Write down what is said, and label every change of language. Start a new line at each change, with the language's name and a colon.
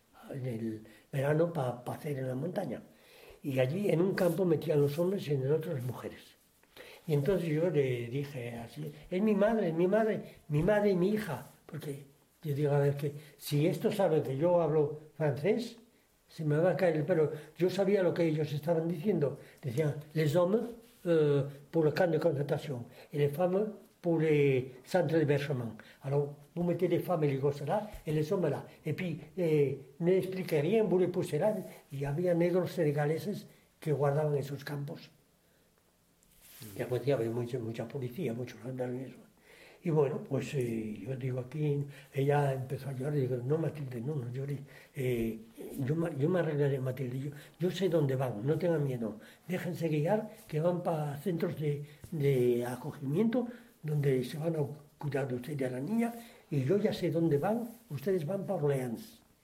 Spanish: En el verano para hacer en la montaña. Y allí en un campo metían los hombres y en el otro las mujeres. Y entonces yo le dije así, es mi madre, mi madre y mi hija. Porque yo digo, a ver, que si esto sabe que yo hablo francés, se me va a caer el pelo. Yo sabía lo que ellos estaban diciendo. Decían,
French: les hommes, pour le camp de concentration et les femmes pour les centres d'hébergement. Alors, vous mettez les femmes et les gosses là, et les hommes là. Et puis, n'expliquez rien, vous les poussez là. Il y avait des négros sénégalaises qui guardaient
Spanish: esos campos. Y después pues, había mucha policía, muchos gendarmes. Y bueno, pues yo digo aquí, ella empezó a llorar, digo, no Matilde, no llores. Yo me arreglaré, Matilde, yo sé dónde van, no tengan miedo. Déjense guiar, que van para centros de acogimiento, donde se van a cuidar de ustedes y de la niña, y yo ya sé dónde van, ustedes van para Orleans.